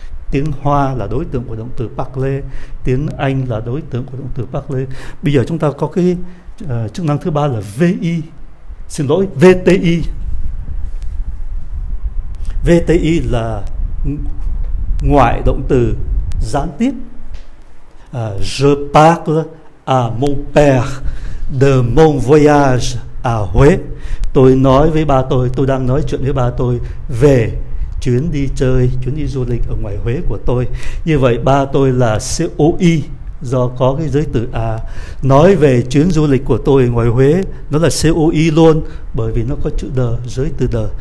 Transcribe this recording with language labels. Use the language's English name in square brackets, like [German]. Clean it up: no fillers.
[Vietnamese] Tiếng Hoa là đối tượng của động từ parler, tiếng Anh là đối tượng của động từ parler. Bây giờ chúng ta có cái chức năng thứ ba là VI. Xin lỗi, VTI. VTI là ngoại động từ gián tiếp. [French] Je parle à mon père de mon voyage à Huế. [Vietnamese] Tôi nói với ba tôi đang nói chuyện với ba tôi về chuyến đi chơi, chuyến đi du lịch ở ngoài Huế của tôi. Như vậy ba tôi là COI, do có cái giới từ à, nói về chuyến du lịch của tôi ngoài Huế, nó là COI luôn, bởi vì nó có chữ the, giới từ the.